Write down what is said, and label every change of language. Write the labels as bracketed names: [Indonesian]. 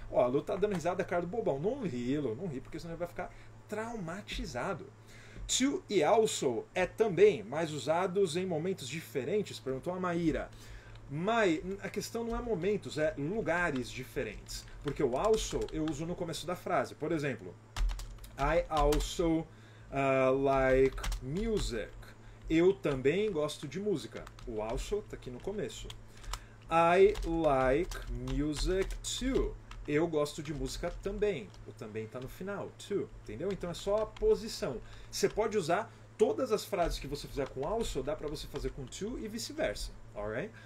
[Portuguese] Ó, a Lu tá dando risada, cara do bobão. Não ri, Lu, não ri, porque senão ele vai ficar traumatizado. To e also é também, mas usados em momentos diferentes, perguntou a Maíra. Mas a questão não é momentos, é lugares diferentes. Porque o also eu uso no começo da frase. [English] Por exemplo, I also like music. [Portuguese] Eu também gosto de música. O also está aqui no começo. [English] I like music too. [Portuguese] Eu gosto de música também. O também está no final, too. Entendeu? Então é só a posição. Você pode usar todas as frases que você fizer com also, dá para você fazer com to e vice-versa. [English] Alright?